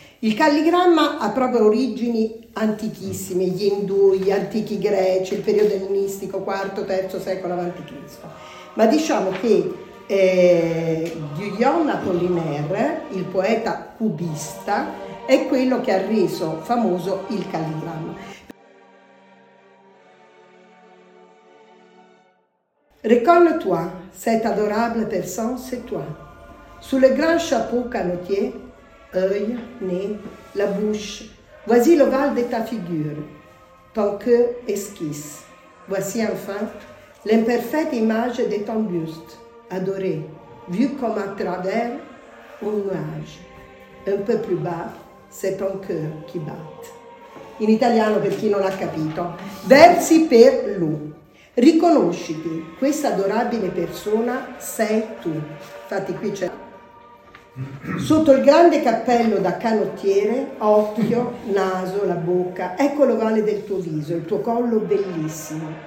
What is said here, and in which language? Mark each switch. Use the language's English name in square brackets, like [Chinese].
[Italian] Il calligramma ha proprio origini antichissime, gli indù, gli antichi greci, il periodo ellenistico, IV, III secolo avanti Cristo. Ma diciamo che Guillaume Apollinaire, il poeta cubista, è quello che ha reso famoso il calligramma. [French] Reconne-toi, cette adorable personne, c'est toi. Sous le grand chapeau canotier, œil, nez, la bouche, voici l'ovale de ta figure, ton cœur esquisse, voici enfin l'imperfette image de ton buste, adoré, vu comme à travers un nuage, un peu plus bas, c'est ton cœur qui batte. [Italian] In italiano, per chi non ha capito, versi per lui. Riconosciti, questa adorabile persona sei tu. Infatti qui c'è. Sotto il grande cappello da canottiere, occhio, naso, la bocca, ecco l'ovale del tuo viso, il tuo collo bellissimo.